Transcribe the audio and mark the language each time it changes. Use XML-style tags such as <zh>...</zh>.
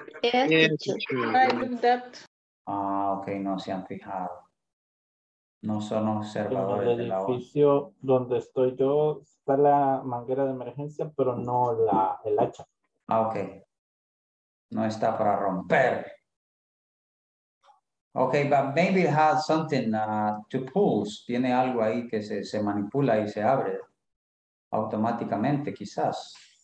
<en>Yes, teacher. I do that.</en> <es>Ah, okay, no se han fijado. No son observadores de la hora. En el edificio donde estoy yo está la manguera de emergencia, pero no el hacha. Ah, ok. No está para romper.</es> <en>Ok, but maybe it has something to pull.</en> <es>Tiene algo ahí que se manipula y se abre automáticamente, quizás.</es>